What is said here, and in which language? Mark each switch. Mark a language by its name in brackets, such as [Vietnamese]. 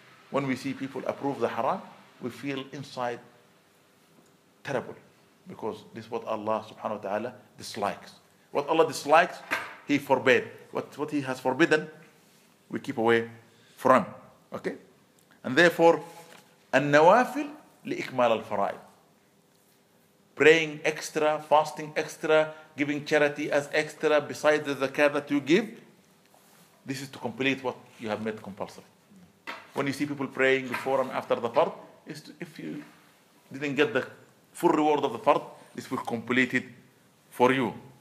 [English] When we see people approve the haram, we feel inside terrible, because this is what Allah subhanahu wa ta'ala dislikes. What Allah dislikes, He forbade. What He has forbidden, we keep away from. Okay? And therefore, [Arabic] النوافل لإكمال الفرائض. [English] Praying extra, fasting extra, giving charity as extra, besides the zakah that you give, this is to complete what you have made compulsory. When you see people praying before and after the fard, if you didn't get the full reward of the fard, this will complete it for you.